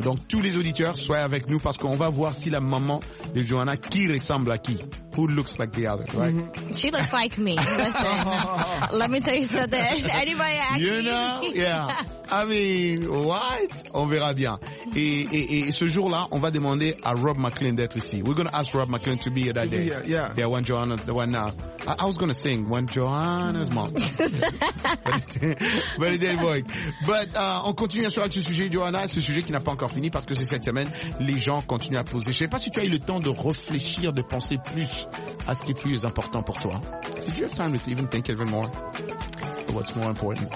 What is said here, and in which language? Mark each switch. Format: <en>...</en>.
<fr>Donc, tous les auditeurs, soyez avec nous parce qu'on va voir si la maman de Johanna, qui ressemble à qui.</fr> <en>Who looks like the other, right? Mm-hmm. She looks like me. Listen, let me tell you something. Anybody ask you? You know? Yeah. I mean, what?</en> <fr>On verra bien. Et ce jour-là, on va demander à Rob McLean d'être ici.</fr> <en>We're going to ask Rob McLean to be here that day. Yeah, when Johanna, I was going to sing, when Johanna's mom. But it didn't work. But</en> <fr>on continue sur ce sujet,</fr> <en>Johanna.</en> <fr>Ce sujet qui n'a pas encore fini parce que c'est cette semaine. Les gens continuent à poser. Je ne sais pas si tu as eu le temps de réfléchir, de penser plus à ce qui est plus important pour toi.</fr> <en>Did you have time to even think even more of what's more important?</en>